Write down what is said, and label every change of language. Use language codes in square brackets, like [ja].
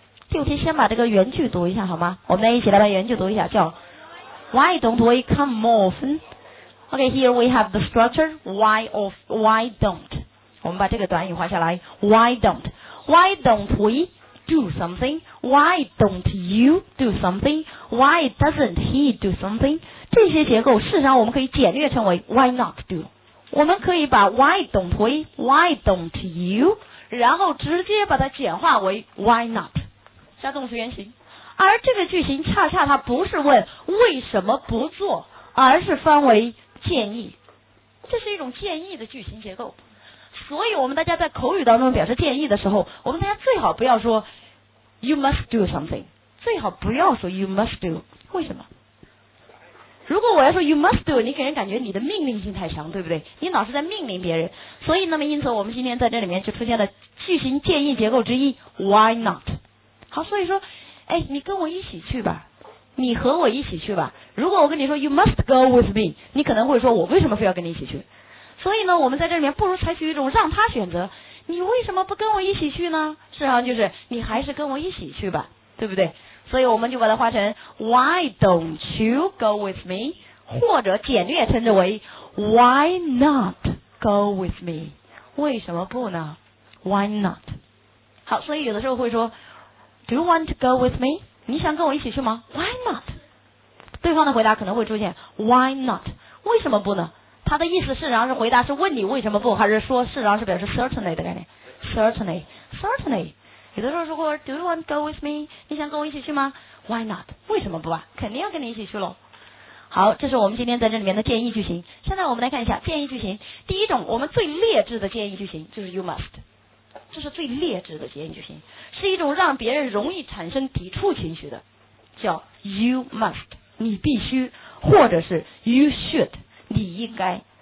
[zh] 第五题先把这个原句读一下好吗？我们来一起来把原句读一下，叫 [en] Why don't we come more often? OK, here we have the structure Why of, why don't? [zh] 我们把这个短语画下来 [en] Why don't? Why don't we do something? Why don't you do something? Why doesn't he do something? [zh] 这些结构事实上我们可以简略称为 why not do。我们可以把 [en] why don't we, why don't you, [zh] 然后直接把它简化为 why not, 加动词原形。而这个句型恰恰它不是问为什么不做，而是翻为建议。这是一种建议的句型结构。所以我们大家在口语当中表示建议的时候，我们大家最好不要说 [en] you must do something, [zh] 最好不要说 you must do, 为什么？如果我要说 [en] you must do, [zh] 你给人感觉你的命令性太强，对不对？你老是在命令别人。所以那么因此我们今天在这里面就出现了句型建议结构之一 why not。好，所以说哎，你跟我一起去吧，你和我一起去吧。如果我跟你说 [en] you must go with me, [zh] 你可能会说我为什么非要跟你一起去。所以呢，我们在这里面不如采取一种让他选择，你为什么不跟我一起去呢？实际上就是你还是跟我一起去吧，对不对？所以我们就把它化成 [en] why don't you go with me, [zh] 或者简略称之为 [en] why not go with me, [zh] 为什么不呢？ [en] why not。 [zh] 好，所以有的时候会说 [en] do you want to go with me, [zh] 你想跟我一起去吗？ why not, 对方的回答可能会出现 why not, 为什么不呢？他的意思事实上是回答是问你为什么不，还是说事实上是表示 certainly 的概念。 certainly certainly 有的时候说 [en] do you want to go with me, [zh] 你想跟我一起去吗？ why not, 为什么不啊，肯定要跟你一起去咯。好，这是我们今天在这里面的建议句型。现在我们来看一下建议句型。第一种我们最劣质的建议句型就是 you must, 这是最劣质的建议句型，是一种让别人容易产生抵触情绪的，叫 you must, 你必须，或者是 you should,你应该。